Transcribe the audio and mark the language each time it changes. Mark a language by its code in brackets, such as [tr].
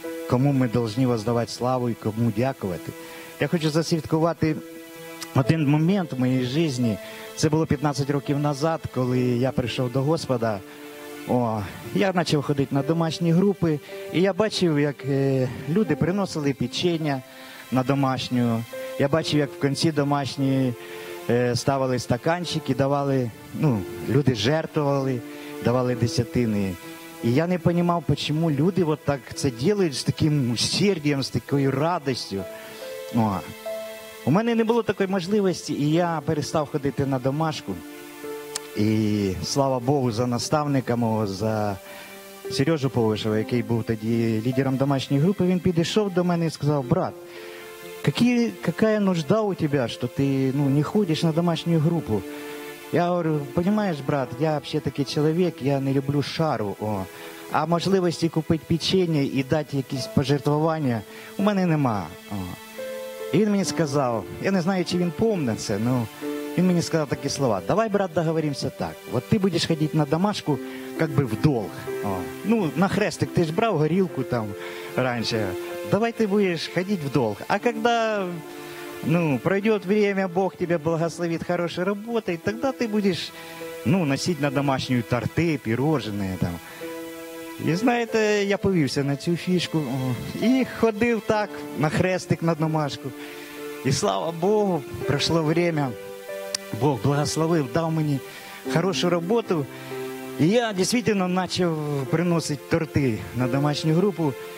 [uk] Кому ми повинні воздавати славу і кому дякувати. Я хочу засвідкувати один момент в моїй житті. Це було 15 років назад, коли я прийшов до Господа. Я почав ходити на домашні групи, і я бачив, як люди приносили печення на домашню. Я бачив, як в кінці домашньої ставили стаканчики, давали, ну, люди жертвували, давали десятини. І я не розумів, чому люди от так це роблять з таким усердієм, з такою радістю. Ну, у мене не було такої можливості, і я перестав ходити на домашку. І слава Богу за наставника мого, за Сережу Повишева, який був тоді лідером домашньої групи. Він підійшов до мене і сказав: «Брат, яка нужда у тебе, що ти, ну, не ходиш на домашню групу?» Я говорю: «Понимаєш, брат, я взагалі такий чоловік, я не люблю шару, а можливості купити печення і дати якісь пожертвування у мене нема». І він мені сказав, я не знаю, чи він помнить це, але він мені сказав такі слова: «Давай, брат, договоримося так, от ти будеш ходити на домашку, як би в долг, ну, на хрестик, ти ж брав горілку там раніше, давай ти будеш ходити в долг, а коли... [ru] Ну, пройдет время, Бог тебя благословит хорошей работой, тогда ты будешь, ну, носить на домашнюю торты, пирожные там». И знаете, [uk] я повився на цю фішку і ходив так на хрестик на домашку. І слава Богу, пройшло время, Бог благословив, дав мені хорошу роботу. І я дійсно почав приносити торти на домашню групу.